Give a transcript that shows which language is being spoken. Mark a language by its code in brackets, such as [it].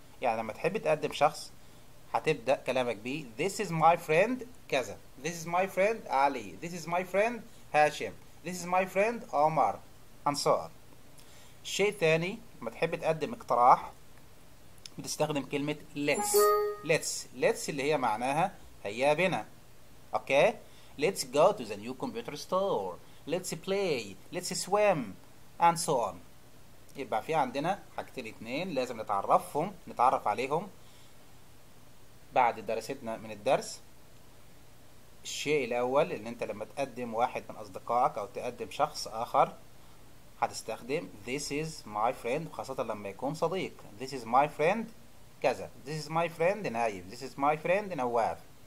[ar] يعني لما تحب تقدم شخص هتبدأ كلامك بي [en] this is my friend كذا, this is my friend علي, this is my friend هاشم, this is my friend عمر, and so on. [ar] شيء ثاني, لما تحب تقدم اقتراح بتستخدم كلمة let's اللي هي معناها هيا بنا. [en] Okay, let's go to the new computer store, let's play, let's swim, and so on. [ar] يبقى في عندنا حاجتين اتنين لازم نتعرف عليهم بعد درستنا من الدرس. الشيء الاول ان انت لما تقدم واحد من اصدقائك او تقدم شخص اخر هتستخدم [en] this is my friend, [ar] وخاصة لما يكون صديق this is my friend كذا, this is my friend نايف, this is my friend نواف.